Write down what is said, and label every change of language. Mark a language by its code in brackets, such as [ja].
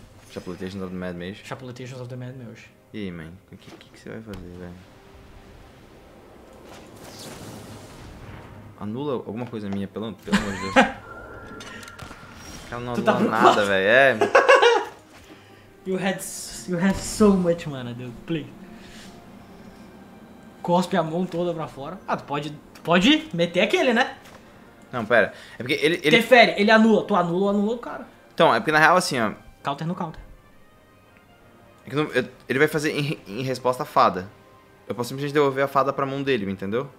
[en] Chapuletations of the Mad Mage? Chapuletations of the Mad Mage. [pt] E aí, man? O que você vai fazer, velho? Anula alguma coisa minha, pelo amor de Deus. Cara, não anula nada, velho. É. [en] You had so much mana, dude. Play. [pt] Cospe a mão toda pra fora. Ah, tu pode meter aquele, né? Não, pera. É porque ele... Teferi, ele anula. Tu anula ou anula o cara? Então, é porque na real assim, ó. [en] Counter no counter. [pt] Ele vai fazer em resposta a fada. Eu posso simplesmente devolver a fada pra mão dele, entendeu?